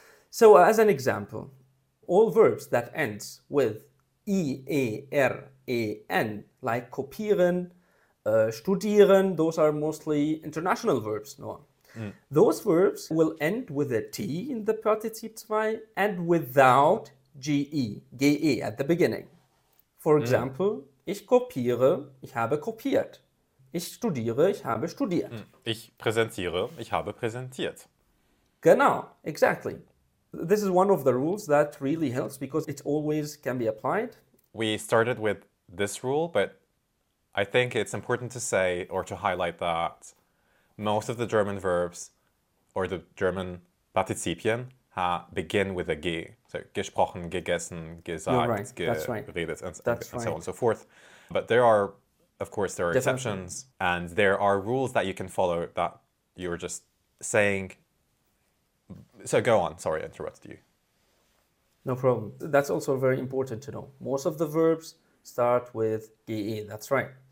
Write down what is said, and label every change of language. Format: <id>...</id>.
<en>So, as an example, all verbs that end with I-E-R-E-N, like kopieren, studieren, those are mostly international verbs, no? Mm. Those verbs will end with a T in the Partizip 2 and without G-E at the beginning.</en> <de>For example, ich kopiere, ich habe kopiert. Ich studiere, ich habe studiert. Ich präsentiere, ich habe präsentiert.</de> <en>Genau, exactly. This is one of the rules that really helps because it always can be applied. We started with this rule, but I think it's important to say or to highlight that most of the German verbs or the German Partizipien begin with a G. So gesprochen, gegessen, gesagt, geredet, and so on and so forth. But there are, of course, there are exceptions and there are rules that you can follow that you're just saying. So go on, sorry, I interrupted you. No problem. That's also very important to know. Most of the verbs start with GE, that's right.</en>